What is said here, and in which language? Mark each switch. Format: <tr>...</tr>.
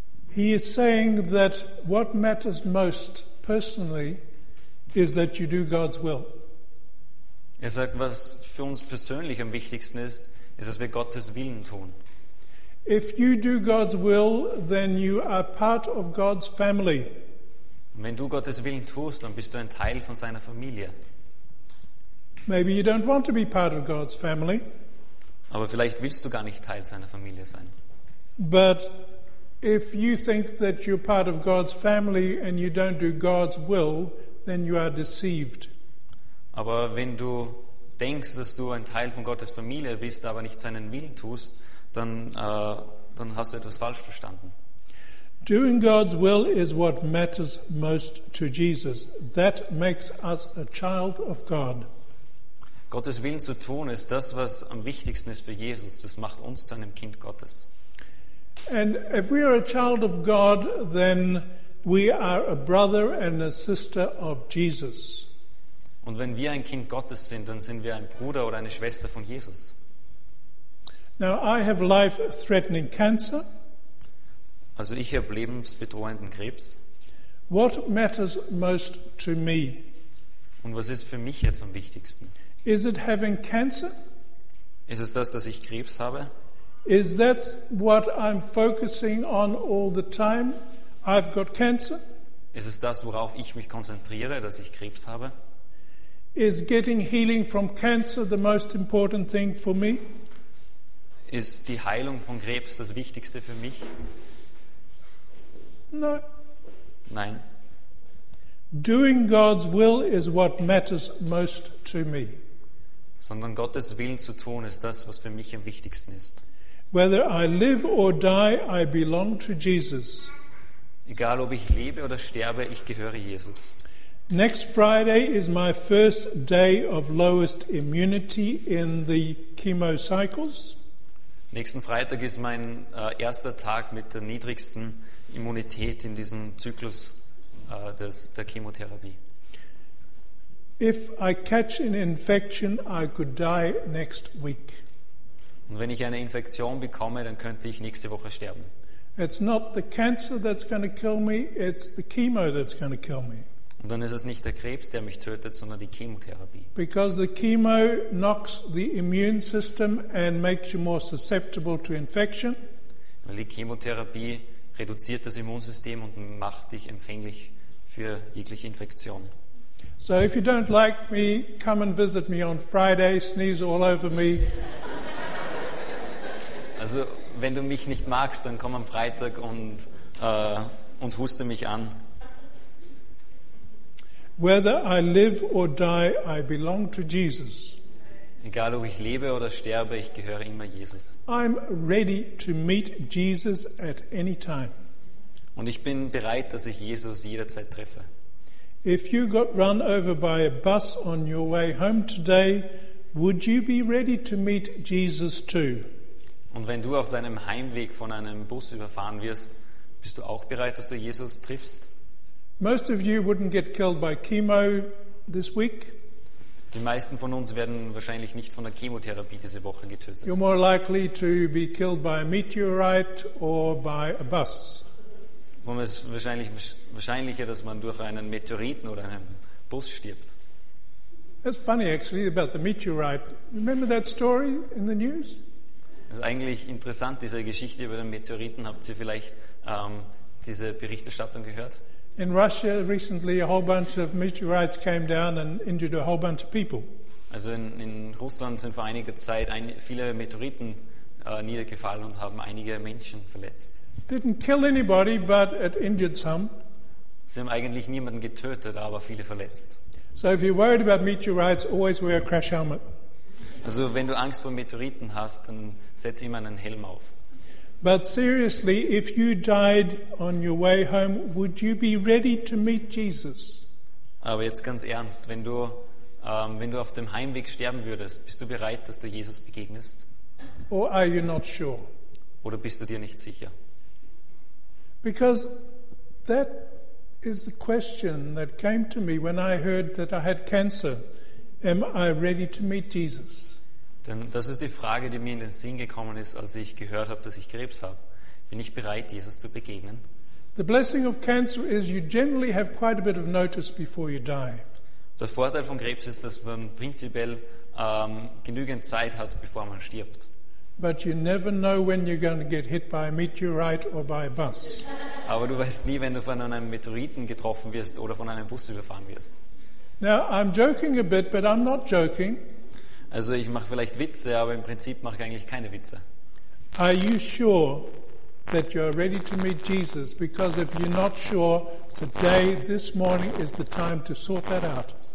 <en>He is saying that what matters most personally is that you do God's will.</en> <de>Er sagt, was für uns persönlich am wichtigsten ist, ist, dass wir Gottes Willen tun.</de> <en>If you do God's will, then you are part of God's family.</en> <de>Wenn du Gottes Willen tust, dann bist du ein Teil von seiner Familie.</de> <en>Maybe you don't want to be part of God's family.</en> <de>Aber vielleicht willst du gar nicht Teil seiner Familie sein.</de> <en>But if you think that you're part of God's family and you don't do God's will, then you are deceived.</en> <de>Aber wenn du denkst, dass du ein Teil von Gottes Familie bist, aber nicht seinen Willen tust, dann hast du etwas falsch verstanden.</de> <en>Doing God's will is what matters most to Jesus. That makes us a child of God.</en> <de>Gottes Willen zu tun ist das, was am wichtigsten ist für Jesus. Das macht uns zu einem Kind Gottes.</de> <en>And if we are a child of God, then we are a brother and a sister of Jesus.</en> <de>Und wenn wir ein Kind Gottes sind, dann sind wir ein Bruder oder eine Schwester von Jesus.</de> <en>Now I have life-threatening cancer.</en> <de>Also ich habe lebensbedrohenden Krebs.</de> <en>What matters most to me?</en> <de>Und was ist für mich jetzt am wichtigsten?</de> <en>Is it having cancer?</en> <de>Ist es das, dass ich Krebs habe?</de> <en>Is that what I'm focusing on all the time? I've got cancer.</en> <de>Ist es das, worauf ich mich konzentriere, dass ich Krebs habe?</de> <en>Is getting healing from cancer the most important thing for me?</en> <de>Ist die Heilung von Krebs das Wichtigste für mich?</de> <en>No.</en> <de>Nein.</de> <en>Doing God's will is what matters most to me.</en> <de>Sondern Gottes Willen zu tun ist das, was für mich am wichtigsten ist.</de> <en>Whether I live or die, I belong to Jesus.</en> <de>Egal ob ich lebe oder sterbe, ich gehöre Jesus.</de> <en>Next Friday is my first day of lowest immunity in the chemo cycles.</en> <de>Nächsten Freitag ist mein erster Tag mit der niedrigsten Immunität in diesem Zyklus der Chemotherapie.</de> <en>If I catch an infection, I could die next week.</en> <de>Und wenn ich eine Infektion bekomme, dann könnte ich nächste Woche sterben.</de> <en>It's not the cancer that's going to kill me, it's the chemo that's going to kill me.</en> <de>Und dann ist es nicht der Krebs, der mich tötet, sondern die Chemotherapie.</de> <en>Because the chemo knocks the immune system and makes you more susceptible to infection.</en> <de>Weil die Chemotherapie reduziert das Immunsystem und macht dich empfänglich für jegliche Infektion.</de> <en>So if you don't like me, come and visit me on Friday, sneeze all over me.</en> <de>Also, wenn du mich nicht magst, dann komm am Freitag und huste mich an.</de> <en>Whether I live or die, I belong to Jesus.</en> <de>Egal ob ich lebe oder sterbe, ich gehöre immer Jesus.</de> <en>I'm ready to meet Jesus at any time.</en> <de>Und ich bin bereit, dass ich Jesus jederzeit treffe.</de> <en>If you got run over by a bus on your way home today, would you be ready to meet Jesus too?</en> <de>Und wenn du auf deinem Heimweg von einem Bus überfahren wirst, bist du auch bereit, dass du Jesus triffst?</de> <en>Most of you wouldn't get killed by chemo this week.</en> <de>Die meisten von uns werden wahrscheinlich nicht von der Chemotherapie diese Woche getötet.</de> <en>You're more likely to be killed by a meteorite or by a bus.</en> <de>Und es ist wahrscheinlicher, dass man durch einen Meteoriten oder einen Bus stirbt.</de> <en>It's funny actually about the meteorite. Remember that story in the news?</en> <de>Es ist eigentlich interessant, diese Geschichte über den Meteoriten. Habt ihr vielleicht diese Berichterstattung gehört?</de> <en>In Russia recently a whole bunch of meteorites came down and injured a whole bunch of people.</en> <de>Also in Russland sind vor einiger Zeit viele Meteoriten niedergefallen und haben einige Menschen verletzt.</de> <en>Didn't kill anybody, but it injured some.</en> <de>Sie haben eigentlich niemanden getötet, aber viele verletzt.</de> <en>So if you're worried about meteorites, always wear a crash helmet.</en> <de>Also wenn du Angst vor Meteoriten hast, dann setz immer einen Helm auf.</de> <en>But seriously, if you died on your way home, would you be ready to meet Jesus?</en> <de>Aber jetzt ganz ernst, wenn du auf dem Heimweg sterben würdest, bist du bereit, dass du Jesus begegnest?</de> <en>Or are you not sure?</en> <de>Oder bist du dir nicht sicher?</de> <en>Because that is the question that came to me when I heard that I had cancer. Am I ready to meet Jesus?</en> <de>Denn das ist die Frage, die mir in den Sinn gekommen ist, als ich gehört habe, dass ich Krebs habe. Bin ich bereit, Jesus zu begegnen?</de> <en>The blessing of cancer is you generally have quite a bit of notice before you die.</en> <de>Der Vorteil von Krebs ist, dass man prinzipiell genügend Zeit hat, bevor man stirbt.</de> <en>But you never know when you're going to get hit by a meteorite or by a bus.</en> <de>Aber du weißt nie, wenn du von einem Meteoriten getroffen wirst oder von einem Bus überfahren wirst.</de> <en>Now I'm joking a bit, but I'm not joking.</en> <de>Also ich mache vielleicht Witze, aber im Prinzip mache ich eigentlich keine Witze.</de> <en>Are you sure that you are ready to meet Jesus? Because if you're not sure, today, this morning is the time to sort that out.</en>